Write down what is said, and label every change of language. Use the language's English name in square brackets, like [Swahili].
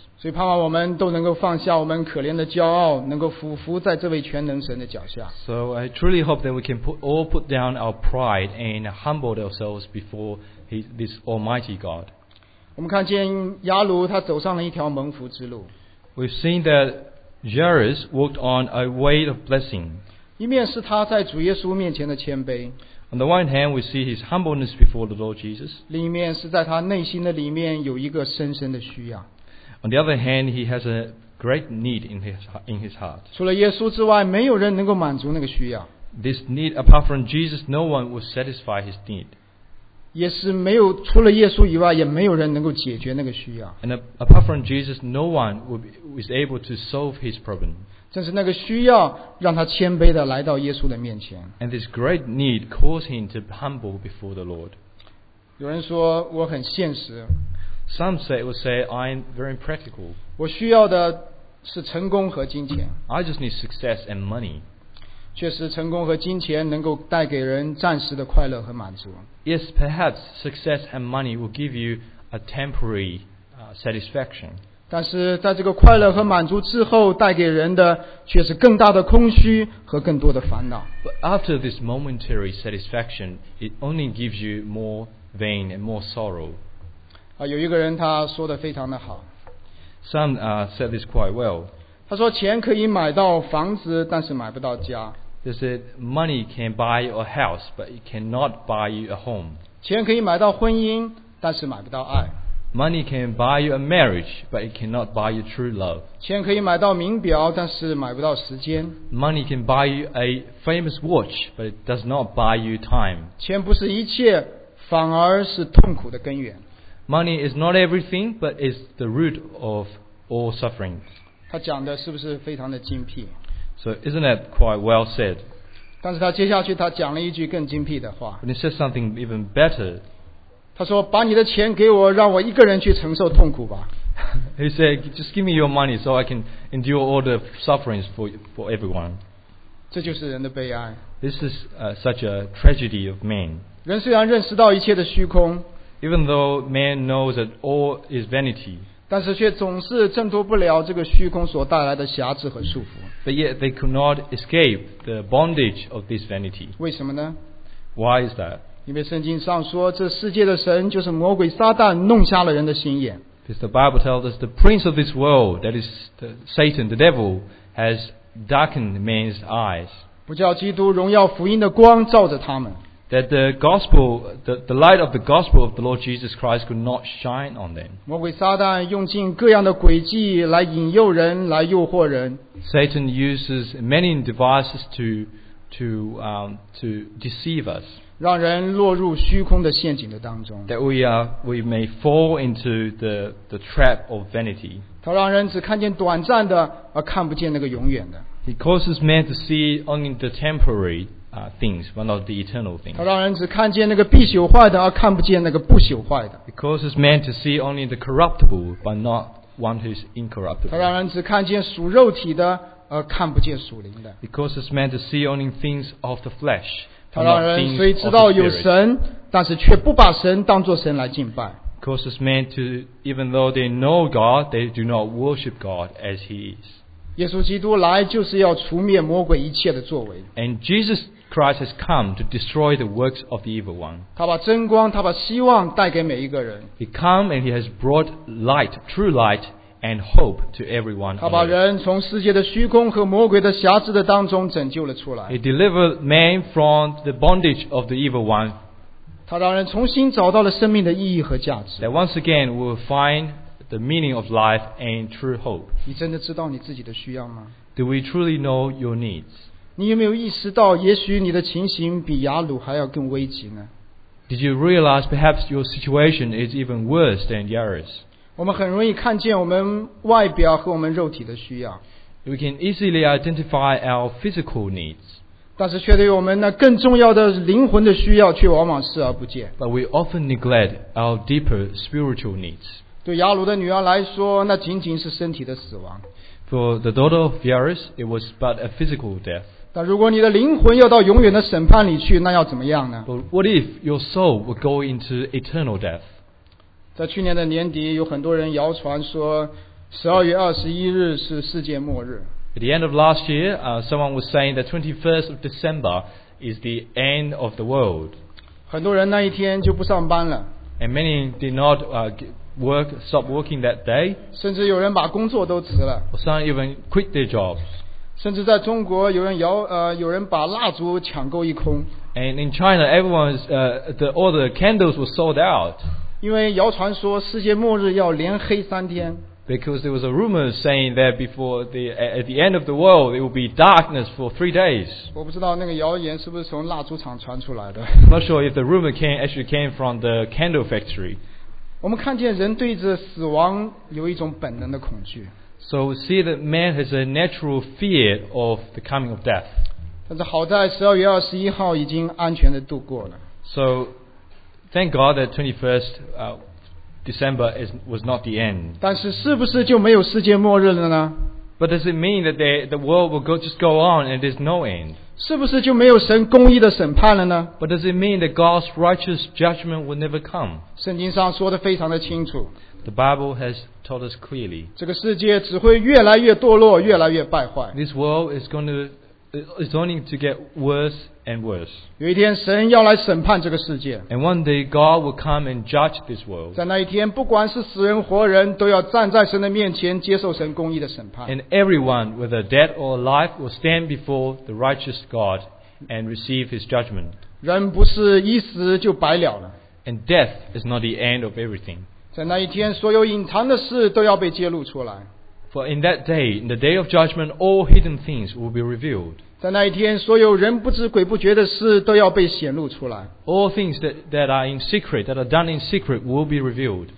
[Chinese] 所以盼望我们都能够放下我们可怜的骄傲，能够俯伏在这位全能神的脚下。 [English] So I truly hope that we can put down our pride and humble ourselves before this Almighty God. [Chinese] 我们看见亚鲁他走上了一条蒙福之路。 [English] We've seen that Jairus walked on a way of blessing. [Chinese] 一面是他在主耶稣面前的谦卑。 [English] On the one hand, we see his humbleness before the Lord Jesus. [Chinese] 另一面是在他内心的里面有一个深深的需要。 [English] On the other hand, he has a great need in his heart. [Chinese] 除了耶稣之外，没有人能够满足那个需要。 [English] This need, apart from Jesus, no one will satisfy his need. [Chinese] 也是没有除了耶稣以外，也没有人能够解决那个需要。 [English] And apart from Jesus, no one is able to solve his problem. [Chinese] 正是那个需要让他谦卑地来到耶稣的面前。 [English] And this great need caused him to humble before the Lord. [Chinese] 有人说我很现实。 [English] Some say will say I'm very practical. [Chinese] 我需要的是成功和金钱。 [English] I just need success and money. [Chinese] 确实，成功和金钱能够带给人暂时的快乐和满足。 [English] Yes, perhaps success and money will give you a temporary satisfaction. [Chinese] 但是在这个快乐和满足之后，带给人的却是更大的空虚和更多的烦恼。 [English] But after this momentary satisfaction, it only gives you more vain and more sorrow. [Chinese] 有一个人他说得非常的好。 [English] Some said this quite well. [Chinese] 他说钱可以买到房子，但是买不到家。 [English] They said money can buy you a house, but it cannot buy you a home. [Chinese] 钱可以买到婚姻，但是买不到爱。 [English] Money can buy you a marriage, but it cannot buy you true love. [Chinese] 钱可以买到名表，但是买不到时间。 [English] Money can buy you a famous watch, but it does not buy you time. [Chinese] 钱不是一切，反而是痛苦的根源。 [English] Money is not everything, but is the root of all suffering. [Chinese] 他讲的是不是非常的精辟？ [English] So isn't that quite well said? [Chinese] 但是他接下去他讲了一句更精辟的话。 [English] But he said something even better. [Chinese] 他说：“把你的钱给我，让我一个人去承受痛苦吧。” [English] He said, "Just give me your money so I can endure all the sufferings for everyone." [Chinese] 这就是人的悲哀。 [English] This is such a tragedy of man. [Chinese] 人虽然认识到一切的虚空。 [English] Even though man knows that all is vanity, [Chinese] 但是却总是挣脱不了这个虚空所带来的辖制和束缚。 [English] But yet they could not escape the bondage of this vanity. [Chinese] 为什么呢？ [English] Why is that? [Chinese] 因为圣经上说，这世界的神就是魔鬼撒旦弄瞎了人的心眼。 [English] Because the Bible tells us the prince of this world, that is the Satan, the devil, has darkened men's eyes. [Chinese] 不叫基督荣耀福音的光照着他们。 [English] That the gospel, the light of the gospel of the Lord Jesus Christ could not shine on them. [Chinese] 魔鬼撒旦用尽各样的诡计来引诱人，来诱惑人。 [English] Satan uses many devices to deceive us. [Chinese] 让人落入虚空的陷阱的当中。 [English] That we may fall into the trap of vanity. [Chinese] 他让人只看见短暂的，而看不见那个永远的。 [English] He causes man to see only the temporary. Things, but not the eternal things. [Chinese] 他让人只看见那个必朽坏的，而看不见那个不朽坏的。 [English] It causes man to see only the corruptible, but not one who is incorruptible. [Chinese] 他让人只看见属肉体的，而看不见属灵的。 [English] It causes man to see only things of the flesh. [Chinese] 他让人虽知道有神，但是却不把神当作神来敬拜。 [English] It causes man to, even though they know God, they do not worship God as He is. [Chinese] 耶稣基督来就是要除灭魔鬼一切的作为。 [English] And Jesus. Christ has come to destroy the works of the evil one. [Chinese] 他把真光，他把希望带给每一个人。 [English] He come and he has brought light, true light and hope to everyone. [Chinese] 他把人从世界的虚空和魔鬼的辖制的当中拯救了出来。 [English] He delivered man from the bondage of the evil one. [Chinese] 他让人重新找到了生命的意义和价值。 [English] That once again we will find the meaning of life and true hope. [Chinese] 你真的知道你自己的需要吗？ [English] Do we truly know your needs? [Chinese] 你有没有意识到，也许你的情形比雅鲁还要更危急呢 [English] ？Did you realize perhaps your situation is even worse than Yairus？ [Chinese] 我们很容易看见我们外表和我们肉体的需要。 [English] We can easily identify our physical needs。 [Chinese] 但是却对我们那更重要的灵魂的需要却往往视而不见。 [English] But we often neglect our deeper spiritual needs。 [Chinese] 对雅鲁的女儿来说，那仅仅是身体的死亡。 [English] For the daughter of Yairus, it was but a physical death. [Chinese] 但如果你的灵魂要到永远的审判里去，那要怎么样呢？ [English] But what if your soul would go into eternal death? [Chinese] 在去年的年底，有很多人谣传说12月21日是世界末日。 [English] At the end of last year, someone was saying that 21st of December is the end of the world. [Chinese] 很多人那一天就不上班了。 [English] And many did not work, stop working that day. [Chinese] 甚至有人把工作都辞了。 [English] Some even quit their jobs. [Chinese] 甚至在中国，有人把蜡烛抢购一空。 [English] And in China, everyone's all the candles were sold out. [Chinese] 因为谣传说世界末日要连黑三天。 [English] Because there was a rumor saying that before the at the end of the world, it will be darkness for 3 days. [Chinese] 我不知道那个谣言是不是从蜡烛厂传出来的。 [English] Not sure if the rumor actually came from the candle factory. [Chinese] 我们看见人对着死亡有一种本能的恐惧。 [English] So we see that man has a natural fear of the coming of death. [Chinese] 但是好在12月21号已经安全地度过了。 [English] So thank God that 21st December was not the end. [Chinese] 但是是不是就没有世界末日了呢？ [English] But does it mean that the world will just go on and there's no end? [Chinese] 是不是就没有神公义的审判了呢 [English] ？But does it mean that God's righteous judgment will never come？ [Chinese] 圣经上说的非常的清楚。 [English] The Bible has told us clearly。 [Chinese] 这个世界只会越来越堕落，越来越败坏。 [English] This world is only to get worse and worse。 [Chinese] 有一天，神要来审判这个世界。 [English] And one day God will come and judge this world。 [Chinese] 在那一天，不管是死人活人，都要站在神的面前，接受神公义的审判。 [English] And everyone, whether dead or alive, will stand before the righteous God and receive His judgment。 [Chinese] 人不是一死就白了了。 [English] And death is not the end of everything。 [Chinese] 在那一天，所有隐藏的事都要被揭露出来。 [English] For in that day, in the day of judgment, all hidden things will be revealed. [Chinese] 在那一天，所有人不知鬼不觉的事都要被显露出来。 [English] All things that are in secret, that are done in secret, will be revealed.